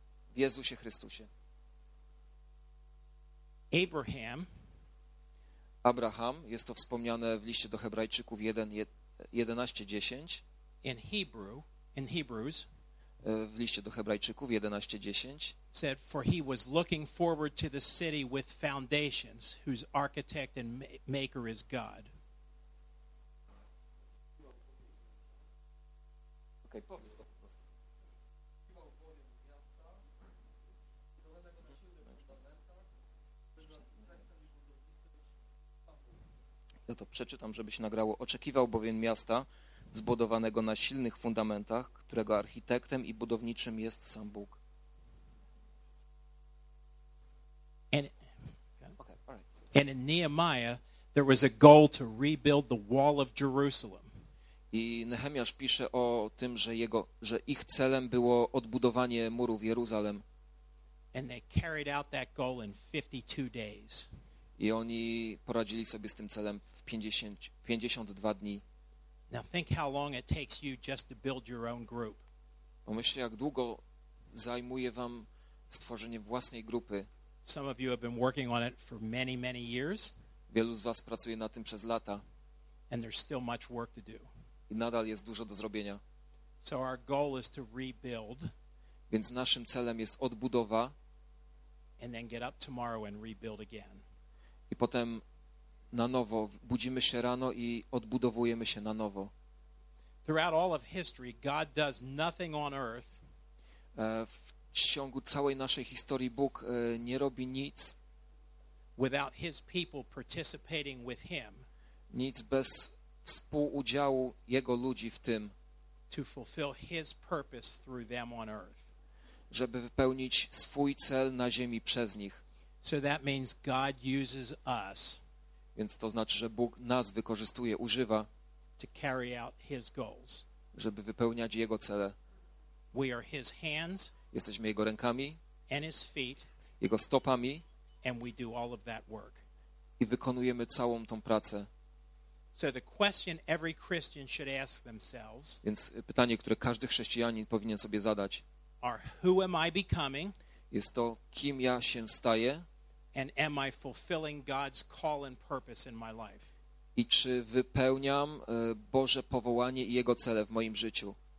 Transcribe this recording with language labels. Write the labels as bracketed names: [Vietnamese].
[Polish] W Jezusie Chrystusie. Abraham. Abraham, jest to wspomniane w liście do Hebrajczyków 11:10. [English] In Hebrew, in Hebrews. [Polish] W liście do Hebrajczyków 11:10. [English] Said, for he was looking forward to the city with foundations, whose architect and maker is God. Okay. [Polish] Ja to przeczytam, żeby się nagrało. Oczekiwał bowiem miasta zbudowanego na silnych fundamentach, którego architektem i budowniczym jest sam Bóg. [English] And in Nehemiah, there was a goal to rebuild the wall of Jerusalem. [Polish] I Nehemiasz pisze o tym, że ich celem było odbudowanie murów Jeruzalem. [English] And they carried out that goal in 52 days. [Polish] I oni poradzili sobie z tym celem w 52 dni. [English] Now think how long it takes you just to build your own group. [Polish] Pomyślcie, jak długo zajmuje wam stworzenie własnej grupy. [English] Some of you have been working on it for many, many years. [Polish] Wielu z was pracuje na tym przez lata. [English] And there's still much work to do. [Polish] I nadal jest dużo do zrobienia. [English] So our goal is to rebuild. [Polish] Więc naszym celem jest odbudowa. [English] And then get up tomorrow and rebuild again. [Polish] I potem na nowo budzimy się rano i odbudowujemy się na nowo. [English] Throughout all of history, God does nothing on earth. [Polish] W ciągu całej naszej historii Bóg nie robi nic. [English] Without his people participating with him. [Polish] Nic bez współudziału jego ludzi w tym. [English] To fulfill his purpose through them on earth. [Polish] Żeby wypełnić swój cel na ziemi przez nich. [English] So that means God uses us. [Polish] Więc to znaczy, że Bóg nas wykorzystuje, używa. [English] To carry out his goals. [Polish] Żeby wypełniać jego cele. [English] We are his hands. [Polish] Jesteśmy jego rękami, [English] and his feet, [Polish] jego stopami, [English] and we do all of that work. [Polish] I wykonujemy całą tą pracę. [English] So the question every Christian should ask themselves, [Polish] więc pytanie, które każdy chrześcijanin powinien sobie zadać, [English] are, who am I becoming, [Polish] jest to, kim ja się staję, [English] and am I fulfilling God's call and purpose in my life? [Polish] i czy wypełniam Boże powołanie i Jego cele w moim życiu.